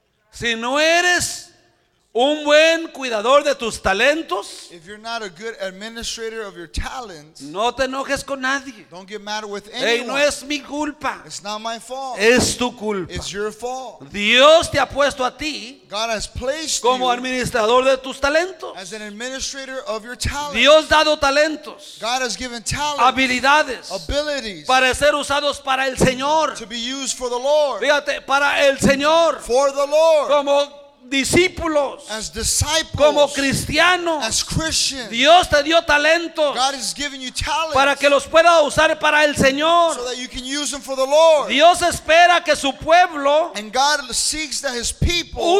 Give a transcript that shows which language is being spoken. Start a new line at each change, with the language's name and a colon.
Spanish: Si no eres un buen cuidador de tus talentos,
English: if you're not a good administrator of your talents,
Spanish: no te enojes con nadie.
English: Don't get mad with anyone.
Spanish: Hey, no es mi culpa.
English: It's not my fault.
Spanish: Es tu culpa.
English: It's your fault.
Spanish: Dios te ha puesto a ti,
English: God has placed
Spanish: como administrador de tus talentos,
English: as an administrator of your talents.
Spanish: Dios ha dado talentos,
English: God has given talents,
Spanish: habilidades,
English: abilities,
Spanish: para ser usados para el Señor,
English: to be used for the Lord.
Spanish: Fíjate, para el Señor,
English: for the Lord.
Spanish: Como discípulos,
English: as disciples,
Spanish: como cristianos,
English: as Christians,
Spanish: Dios te dio talentos,
English: God has given you talents,
Spanish: para que los pueda usar para el Señor,
English: so that you can use them for the Lord.
Spanish: Dios espera que su pueblo,
English: and God seeks that his people,